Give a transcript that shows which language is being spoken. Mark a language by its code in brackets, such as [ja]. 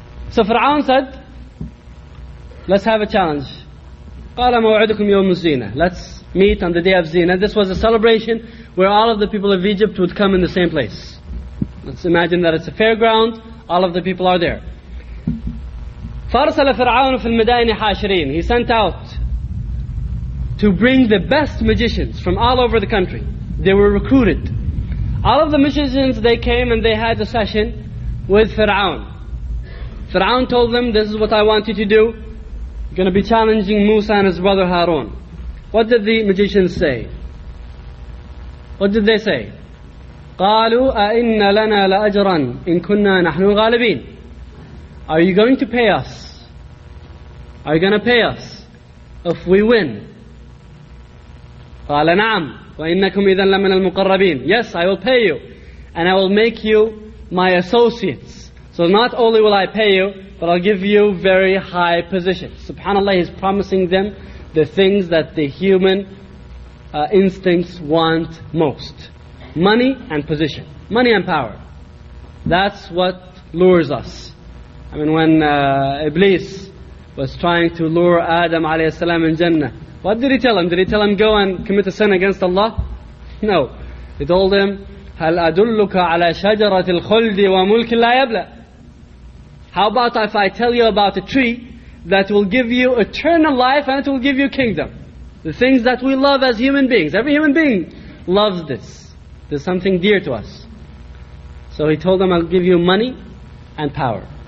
[en] So Fir'aun said, let's have a challenge. [ar] قال موعدكم يوم الزينة. [en] Let's meet on the day of Zina. This was a celebration where all of the people of Egypt would come in the same place. Let's imagine that it's a fairground. All of the people are there. [ar] فارسل فرعون في المدائن حاشرين. [en] He sent out to bring the best magicians from all over the country. They were recruited. All of the magicians, they came and they had a session with Fir'aun. Fir'aun told them, this is what I want you to do. You're going to be challenging Musa and his brother Harun. What did the magicians say? What did they say? [ar] قالوا أئن لنا لأجرا إن كنا نحن غالبين. [en] Are you going to pay us? Are you going to pay us if we win? [ar] قال نعم وإنكم إذن لمن المقربين. [en] Yes, I will pay you and I will make you my associates. So not only will I pay you, but I'll give you very high positions. SubhanAllah, he's promising them the things that the human instincts want most. Money and position. Money and power. That's what lures us. I mean, when Iblis was trying to lure Adam alayhi salam in Jannah, what did he tell him? Did he tell him, go and commit a sin against Allah? No. He told him, [ar] هَلْ أَدُلُّكَ عَلَى شَجَرَةِ الْخُلْدِ وَمُلْكِ لَا يَبْلَى. [en] How about if I tell you about a tree that will give you eternal life and it will give you kingdom? The things that we love as human beings. Every human being loves this. There's something dear to us. So he told them, I'll give you money and power.